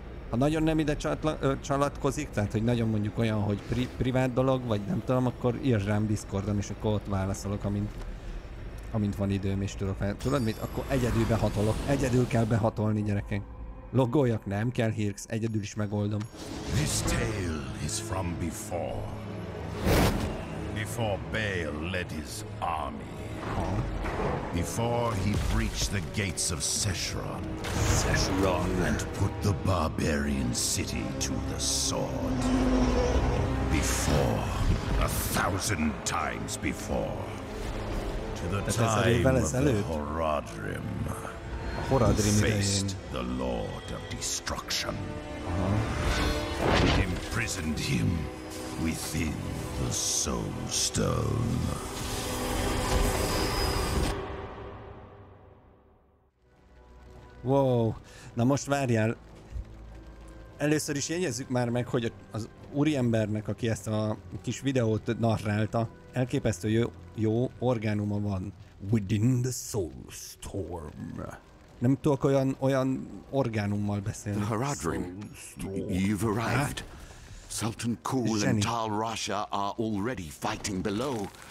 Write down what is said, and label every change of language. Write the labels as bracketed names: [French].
[Hungarian] Ha nagyon nem ide csalatkozik, tehát hogy nagyon mondjuk olyan, hogy privát dolog, vagy nem tudom, akkor írj rám Discordon, és akkor ott válaszolok, amint van időm, és tudok fel. Tudod mit? Akkor egyedül behatolok. Egyedül kell behatolni, gyerekek. Logoljak, nem kell Hirx, egyedül is megoldom. [English] This tale is from before. Before Bael led his army. Before he breached the gates of Sesheron. Sesheron. And put the barbarian city to the sword. Before. A thousand times before. time of the Horadrim. A Horadrim idején. The Lord of Destruction. Aha. Imprisoned him within the Soul Stone. [Hungarian] Wow, na most várjál. Először is jegyezzük már meg, hogy az úriembernek, aki ezt a kis videót narrálta, elképesztő jó orgánuma van. Within the Soul Storm. Nem tudok olyan orgánummal beszélni. [English] The Horadrim. You've arrived. Sultan Kul and Tal Rasha are already fighting below.